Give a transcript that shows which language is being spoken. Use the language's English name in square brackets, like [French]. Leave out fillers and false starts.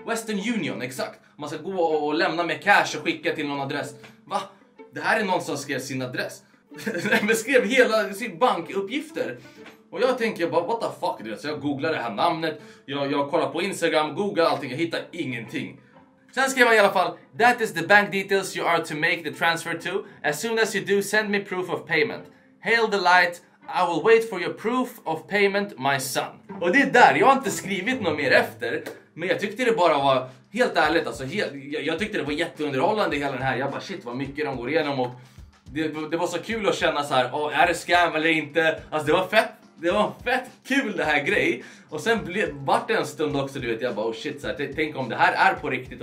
[Swedish] Western Union, exakt. Man ska gå och lämna med cash och skicka till någon adress. Va? Det här är någon som skrev sin adress. Men skrev hela sin bankuppgifter. Och jag tänker bara, [English] what the fuck [Swedish] det? Så jag googlar det här namnet. Jag kollar på Instagram, googlar allting. Jag hittar ingenting. Sen skrev jag i alla fall, [English] that is the bank details you are to make the transfer to. As soon as you do, send me proof of payment. Hail the light. I will wait for your proof of payment, my son. [Swedish] Och det är där. Jag har inte skrivit något mer efter. Men jag tyckte det bara var, helt ärligt, alltså, jag tyckte det var jätteunderhållande hela den här. Jag bara, shit vad mycket de går igenom. Och det var så kul att känna så här, oh, är det scam eller inte? Alltså det var fett kul det här grej. Och sen vart det en stund också, du vet, jag bara, oh shit, så här, tänk om det här är på riktigt.